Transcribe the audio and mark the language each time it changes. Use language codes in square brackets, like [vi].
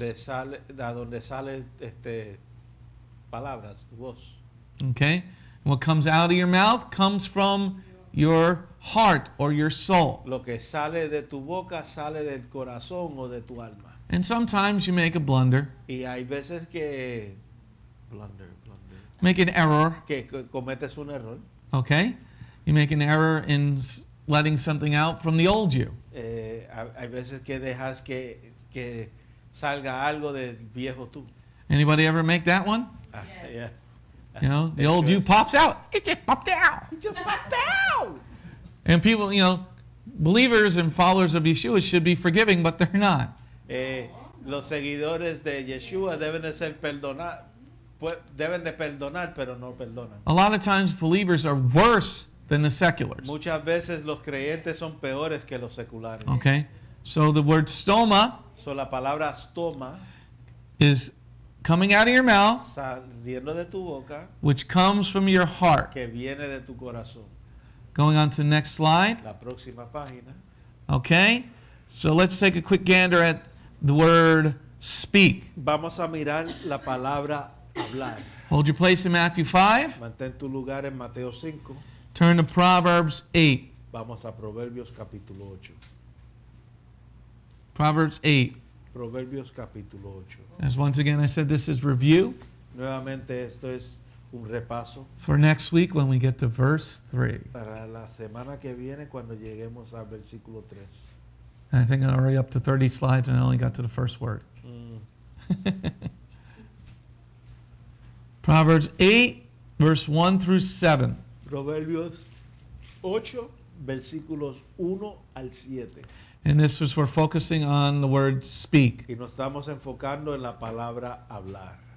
[es] De sale, de donde sale palabras, tu voz. [en] Okay. What comes out of your mouth comes from your heart or your soul. [es] Lo que sale de tu boca sale del corazón o de tu alma. [en] And sometimes you make a blunder. [es] Y hay veces que blunder. [en] Make an error. [es] Que cometes un error. [en] Okay? You make an error in letting something out from the old you. [es] Hay veces que dejas que salga algo del viejo tú. [en] Anybody ever make that one? Yeah. The old you pops out. It just popped out. And people, believers and followers of Yeshua should be forgiving, but they're not. [es] Los seguidores de Yeshua deben de ser perdonar, pero no perdonan. [en] A lot of times believers are worse than the seculars. [es] Muchas veces los creyentes son peores que los seculares. [en] Okay. So the word stoma. [es] So la palabra stoma [en] is coming out of your mouth, [es] saliendo de tu boca, [en] which comes from your heart. [es] Que viene de tu corazón. [en] Going on to the next slide. [es] La próxima página. [en] Okay, so let's take a quick gander at the word speak. [es] Vamos a mirar la palabra hablar. [en] Hold your place in Matthew 5. [es] Mantén tu lugar en Mateo 5. [en] Turn to Proverbs 8. [es] Vamos a Proverbios capítulo 8. [en] Proverbs 8. [es] Proverbios capítulo 8. [en] As once again I said, this is review. [es] Nuevamente esto es un repaso. [en] For next week when we get to verse 3. [es] Para la semana que viene cuando lleguemos al versículo 3. [en] And I think I'm already up to 30 slides and I only got to the first word. Proverbs 8, verse 1 through 7. [es] Proverbios 8, versículos 1 al 7. [en] And this was, we're focusing on the word speak. [es] Y nos estamos enfocando en la palabra hablar.